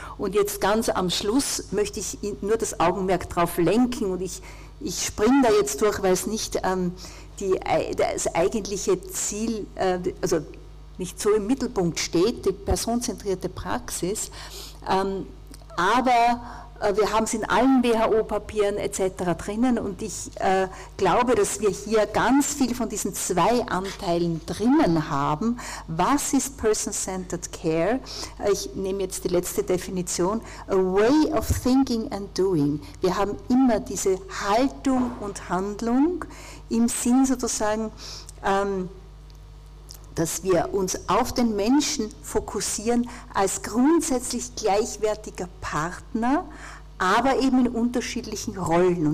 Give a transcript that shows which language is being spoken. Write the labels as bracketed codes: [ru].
[de] Und jetzt ganz am Schluss möchte ich nur das Augenmerk darauf lenken, und ich springe da jetzt durch, weil es nicht das eigentliche Ziel, also nicht so im Mittelpunkt steht, die personenzentrierte Praxis, aber wir haben es in allen WHO-Papieren etc. drinnen, und ich glaube, dass wir hier ganz viel von diesen zwei Anteilen drinnen haben. Was ist Person-Centered Care? Ich nehme jetzt die letzte Definition. [en] A way of thinking and doing. [de] Wir haben immer diese Haltung und Handlung im Sinn sozusagen, dass wir uns auf den Menschen fokussieren als grundsätzlich gleichwertiger Partner, aber eben in unterschiedlichen Rollen.